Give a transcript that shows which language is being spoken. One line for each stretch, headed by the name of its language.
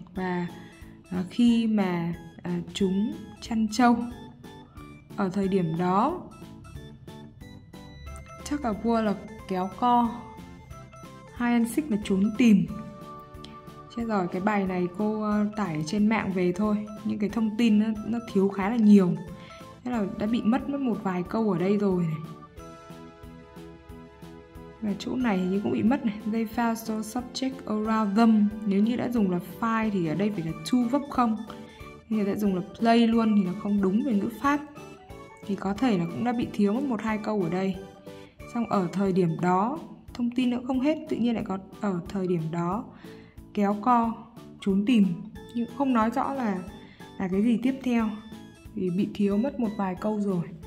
Vietnamese: Và khi mà chúng chăn trâu ở thời điểm đó, chắc là vua là kéo co, hide and seek là trốn tìm, Thế rồi cái bài này cô tải trên mạng về thôi. Những cái thông tin nó thiếu khá là nhiều. Thế là đã bị mất mất một vài câu ở đây rồi này. Và chỗ này hình như cũng bị mất này.
English: They found the subject around them.
Vietnamese: Nếu như đã dùng là find thì ở đây phải là to verb không. Nếu đã dùng là play luôn thì nó không đúng về ngữ pháp. Thì có thể là cũng đã bị thiếu mất một hai câu ở đây. Xong ở thời điểm đó, thông tin nữa không hết, tự nhiên lại có ở thời điểm đó, kéo co, trốn tìm, nhưng không nói rõ là cái gì tiếp theo, vì bị thiếu mất một vài câu rồi.